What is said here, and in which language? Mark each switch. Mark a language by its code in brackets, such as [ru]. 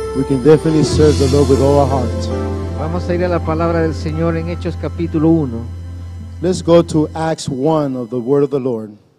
[en] We can definitely serve the Lord with all our heart. [es] Vamos a ir a la palabra del Señor en Hechos capítulo 1. [en] Let's go to Acts 1 of the Word of the Lord.